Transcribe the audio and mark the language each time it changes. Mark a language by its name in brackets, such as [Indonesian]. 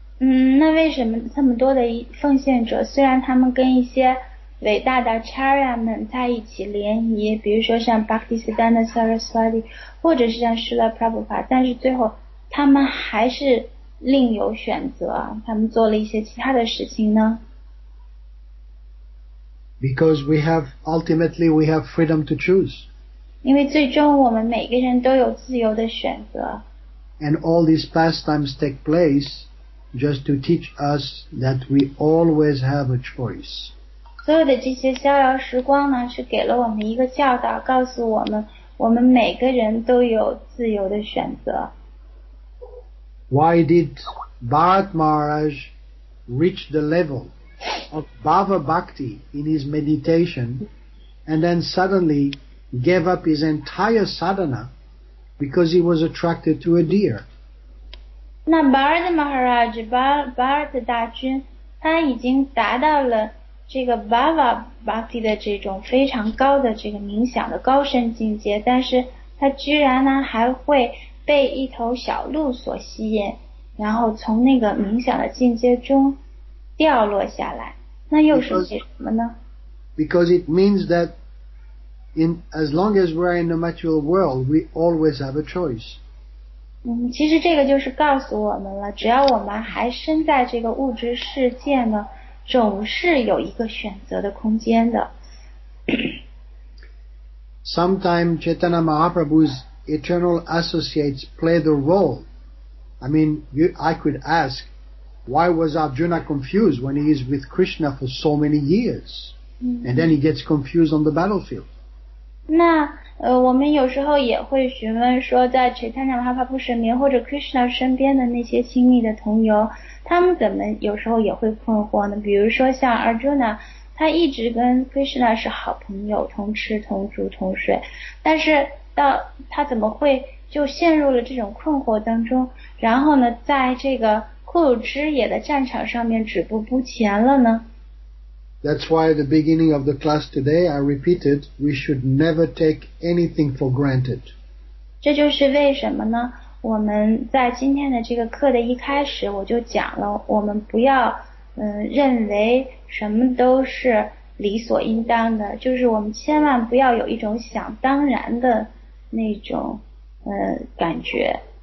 [Chinese] 那为什么这么多的奉献者，虽然他们跟一些伟大的 acharya 们在一起联谊，比如说像 Bhaktisiddhanta Saraswati， 或者是像 Srila Prabhupada， 但是最后他们还是另有选择，他们做了一些其他的事情呢？ [English] Because we have, ultimately we have freedom to choose. [Chinese] 因为最终我们每个人都有自由的选择。 [English] And all these pastimes take place just to teach us that we always have a choice. [Chinese] 所有的这些逍遥时光呢，是给了我们一个教导，告诉我们，我们每个人都有自由的选择。 [English] Why did Bharat Maharaj reach the level of Bhava Bhakti in his meditation and then suddenly gave up his entire sadhana because he was attracted to a deer? [Chinese] 那 Bharat Maharaj, Bharat 大君，他已经达到了这个 Bhava Bhakti 的这种非常高的这个冥想的高深境界，但是他居然呢还会被一头小鹿所吸引，然后从那个冥想的境界中掉落下来，那又是些什么呢？ [English] Because it means that in as long as we're in the material world, we always have a choice. [Chinese] 其实这个就是告诉我们了，只要我们还身在这个物质世界呢，总是有一个选择的空间的。 [English] Sometimes Chaitanya Mahaprabhu's eternal associates play the role. I mean, I could ask, why was Arjuna confused when he is with Krishna for so many years? And then he gets confused on the battlefield. [Chinese] 那我们有时候也会询问说，在 Chaitanya Mahaprabhu 身边或者 Krishna 身边的那些亲密的同游，他们怎么有时候也会困惑呢？比如说像 Arjuna， 他一直跟 Krishna 是好朋友，同吃同住同睡，但是到他怎么会就陷入了这种困惑当中，然后呢，在这个库鲁之野的战场上面止步不前了呢？ [English] That's why at the beginning of the class today, I repeated, we should never take anything for granted. [Chinese] 这就是为什么呢？我们在今天的这个课的一开始，我就讲了，我们不要认为什么都是理所应当的，就是我们千万不要有一种想当然的那种感觉。